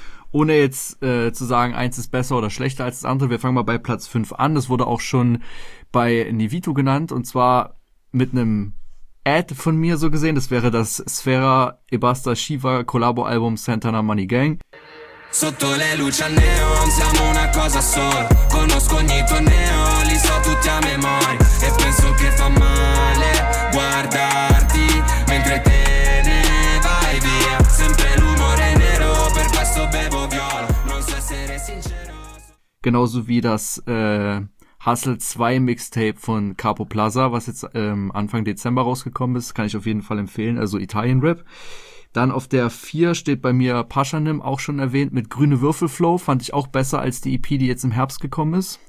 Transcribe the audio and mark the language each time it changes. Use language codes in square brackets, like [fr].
[de] Ohne jetzt zu sagen, eins ist besser oder schlechter als das andere, wir fangen mal bei Platz 5 an, das wurde auch schon bei Nivito genannt und zwar mit einem Ad von mir so gesehen, das wäre das Sfera Ebasta Shiva Collabo Album Santana Money Gang. [it] Sotto le luci al neon siamo una cosa sola. Conosco ogni torneo, li so tutti a memoria. E penso che fa male guardarti mentre te ne vai via. Sempre l'umore nero, per questo bevo viola. Non so essere sincero. [de] Genauso wie das Hustle 2 Mixtape von Capo Plaza, was jetzt Anfang Dezember rausgekommen ist, kann ich auf jeden Fall empfehlen, also Italian Rap. Dann auf der 4 steht bei mir Paschanim, auch schon erwähnt, mit Grüne Würfelflow, fand ich auch besser als die EP, die jetzt im Herbst gekommen ist.